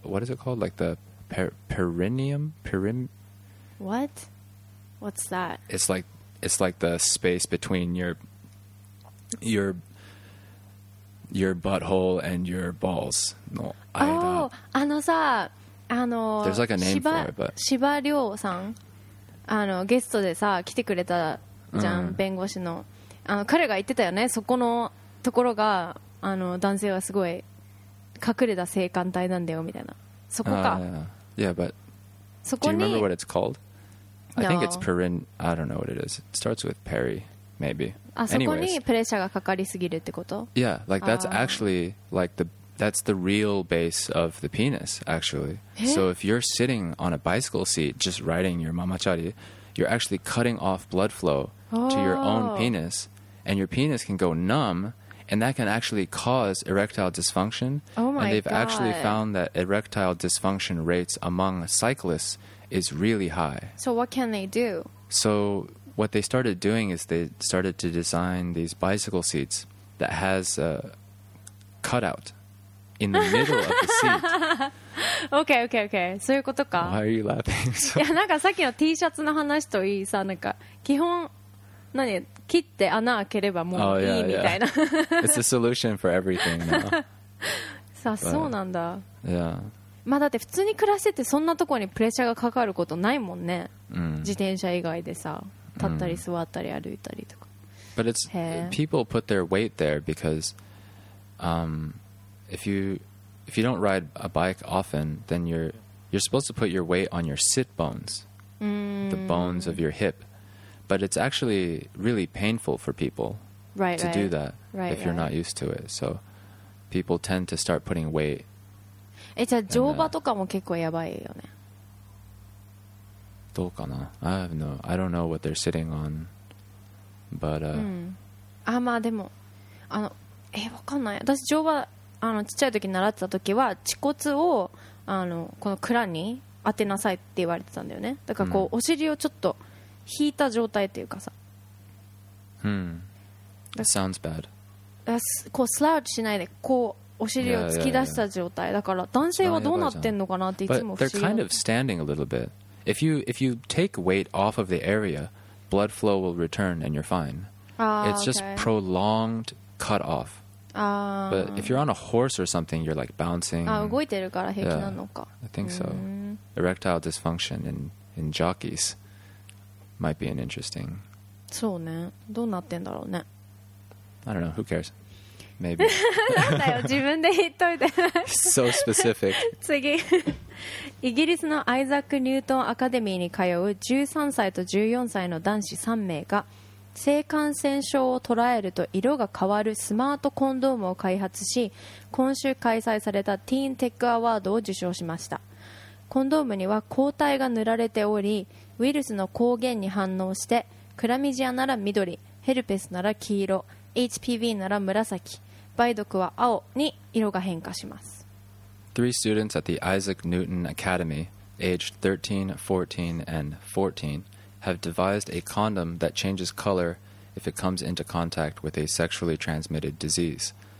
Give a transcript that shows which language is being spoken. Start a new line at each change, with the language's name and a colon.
English: What is it called? Like the perineum? What? What's that? It's like the space between your butthole and your balls. No,
Japanese: oh, あのさ、あの、
English: there's like a name for it, but...
Japanese: 芝亮さん、あの、ゲストでさ、来てくれたじゃん、mm. 弁護士の。あの、彼が言ってたよね、そこのところが、あの、男性はすごい隠れた性感帯なんだよ、みたいな。そこか。
English: Yeah, but...
Japanese: そこに...
English: Do you remember what it's called? No. I think it's perin... I don't know what it is. It starts with peri, maybe.
Japanese: あ、そこにプレッシャーがかかりすぎるってこと?
English: Yeah, like that's actually like the... That's the real base of the penis, actually. So if you're sitting on a bicycle seat just riding your mamachari, you're actually cutting off blood flow to your own penis, and your penis can go numb, and that can actually cause erectile dysfunction. Oh my and they've God. Actually found that erectile dysfunction rates among cyclists is really high. So what can they do? So what they started doing is they started to design these bicycle seats that has a cutout. In the middle of the seat. Okay, okay, okay.
Japanese: そういうことか。
English: Why are you laughing?
Japanese: いや、なんかさっきの T シャツの話といいさ、なんか基本何切って穴開ければもういい、
English: oh, yeah,
Japanese: みたいな。
English: Yeah. It's a solution for everything.
Japanese: さあ、そうなんだ。
English: Yeah.
Japanese: まあだって普通に暮らしててそんなところにプレッシャーがかかることないもんね。 Mm. 自転車以外でさ、立ったり座ったり歩いたりとか。
English: But it's people put their weight there because, If you don't ride a bike often, then you're supposed to put your weight on your sit bones, the bones of your hip. But it's actually really painful for people to do that if you're not used to it. So people tend to start putting weight.
Japanese: え、じゃあ乗馬とかも結構やばいよね。どうかな?
English: I have no, I don't know what they're sitting on. But,
Japanese: あ、まあでも、あの、え、わかんない。私乗馬あのちっちゃい時に習ってた時は恥骨をあのこの蔵に当てなさいって言われてたんだよね。だからこう、うん、お尻をちょっと引いた状態っていうかさ。
English: うん。That sounds bad。
Japanese: こうスラウチしないでこうお尻を突き出した状態。だから男性はどうなってんのかなっていつも不思議。
English: But they're kind of standing a little bit. If you take weight off of the area, blood flow will return and you're fine. It's just prolonged cut off. But if you're on a horse or something, you're like bouncing.
Japanese: Ah, 動いてるから平気なのか。
English: Yeah, I think so. Erectile dysfunction in jockeys might be an interesting.
Japanese: そうね。どうなってんだろうね。
English: I don't know. Who cares? Maybe.
Japanese: なんだよ。自分で言っといて。
English: So specific.
Japanese: 次。イギリスのアイザック・ニュートン・アカデミーに通う13歳と14歳の男子3名が性感染症を捉えると色が変わるスマートコンドームを開発し今週開催されたティーンテックアワードを受賞しました。コンドームには抗体が塗られておりウイルスの抗原に反応してクラミジアなら緑、ヘルペスなら黄色、HPV なら紫、梅毒は青に色が変化します。
English: Three students at the Isaac Newton Academy aged 13, 14 and 14have devised a condom that changes color if it comes into contact with a sexually transmitted disease.